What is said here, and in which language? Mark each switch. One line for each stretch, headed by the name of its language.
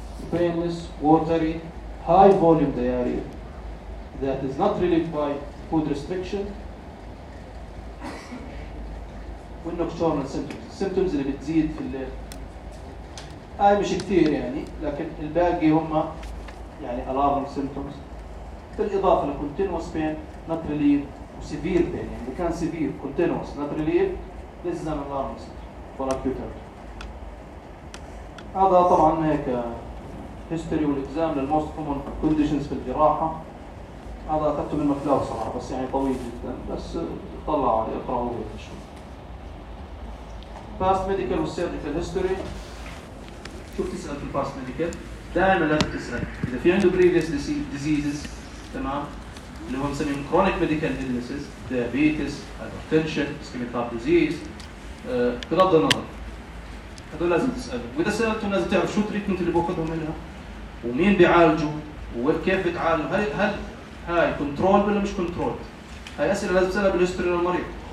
English: Painless, watery, high volume diarrhea that is not relieved by food restriction. Nocturnal symptoms.
Arabic: Symptoms اللي بتزيد في الليل. هاي مش كتير يعني، لكن الباقي هم يعني
English: alarming symptoms.
Arabic: بالإضافة لـ
English: continuous pain not relief
Arabic: و severe pain، يعني كان
English: severe continuous not relief this is an alarm symptom for acute health.
Arabic: هذا طبعا هيك history والإجزام للموست common conditions في الجراحة. هذا أخذته من مكلاو صراحة، بس يعني طويل جدا، بس طلع عليه اقرأوه إن شاء الله.
English: Past medical and surgical history.
Arabic: شو بتسأل في past medical؟ دائما لازم تسأل إذا في عنده
English: previous diseases،
Arabic: تمام؟ اللي هو نسميهم
English: chronic medical illnesses،
Arabic: diabetes، hypertension، ischemic heart disease، بغض النظر. هذول لازم تسألهم، وإذا سألته لازم تعرف شو التريتمنت اللي بأخذه منها، ومين بيعالجه، وكيف بتعالجه، هل هاي كنترول ولا مش كنترول؟ هاي أسئلة لازم تسألها بالهستوري للمريض.